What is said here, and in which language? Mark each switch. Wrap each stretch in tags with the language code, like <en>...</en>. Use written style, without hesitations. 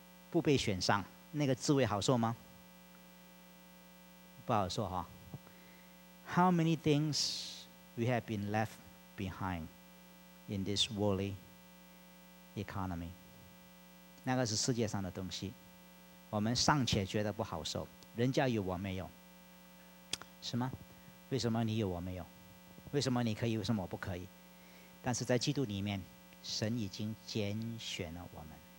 <zh>不被选上，那个滋味好受吗？不好受哈。</zh> <en>How many things we have been left behind in this worldly economy?</en> <zh>那个是世界上的东西，我们尚且觉得不好受，人家有我没有，是吗？为什么你有我没有？为什么你可以，为什么我不可以？但是在基督里面，神已经拣选了我们。</zh>